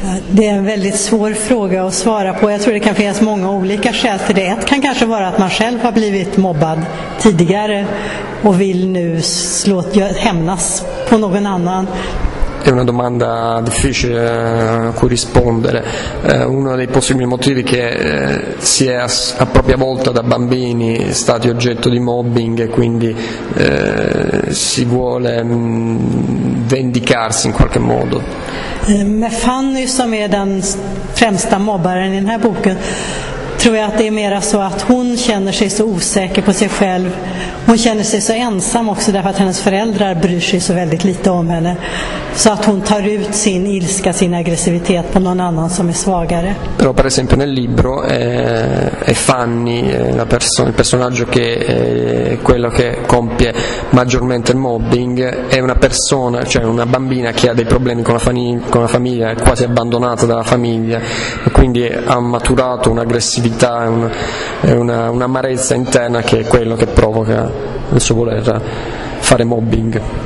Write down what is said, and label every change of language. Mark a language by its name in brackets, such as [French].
[Swedish] Det är en väldigt svår fråga att svara på. Jag tror det kan finnas många olika skäl till det. Ett kan kanske vara att man själv har blivit mobbad tidigare och vill nu hämnas på någon annan. [Italian] È una domanda difficile a cui rispondere. Uno dei possibili motivi che si è a propria volta da bambini stati oggetto di mobbing e quindi si vuole vendicarsi in qualche modo. [Swedish] Med Fanny, som är den främsta mobbaren i den här boken, tror jag att det är mera så att hon känner sig så osäker på sig själv. Hon känner sig så ensam också, därför att hennes föräldrar bryr sig så väldigt lite om henne. Så att hon tar ut sin ilska, sin aggressivitet på någon annan som är svagare. [Italian] Però per esempio nel libro è Fanny la persona, il personaggio che è quello che compie maggiormente il mobbing, è una persona, cioè una bambina che ha dei problemi con la famiglia, è quasi abbandonata dalla famiglia, e quindi ha maturato un'aggressività, un'amarezza interna che è quello che provoca il suo voler fare mobbing.